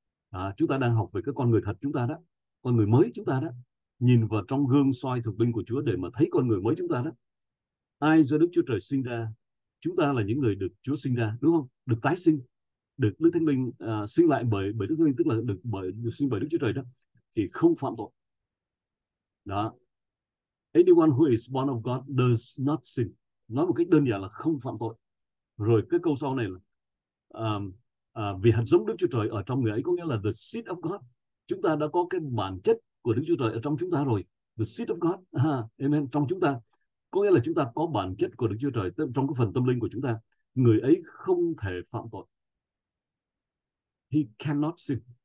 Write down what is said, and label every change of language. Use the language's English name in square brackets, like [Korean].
[Vietnamese] À, chúng ta đang học về cái con người thật chúng ta đó, con người mới chúng ta đó, nhìn vào trong gương soi thuộc linh của Chúa để mà thấy con người mới chúng ta đó. Ai do Đức Chúa Trời sinh ra? Chúng ta là những người được Chúa sinh ra, đúng không? Được tái sinh, được Đức Thánh Linh sinh lại bởi bởi Đức Thánh Linh, tức là được sinh bởi Đức Chúa Trời đó, thì không phạm tội. Đó. [English] Anyone who is born of God does not sin. [Vietnamese] Nói một cách đơn giản là không phạm tội. Rồi cái câu sau này là vì hạt giống Đức Chúa Trời ở trong người ấy, có nghĩa là [English] the seed of God. [Vietnamese] Chúng ta đã có cái bản chất của Đức Chúa Trời ở trong chúng ta rồi. [English] The seed of God. [Vietnamese] Amen. Trong chúng ta. Có nghĩa là chúng ta có bản chất của Đức Chúa Trời trong cái phần tâm linh của chúng ta. Người ấy không thể phạm tội. [English] he cannot sin.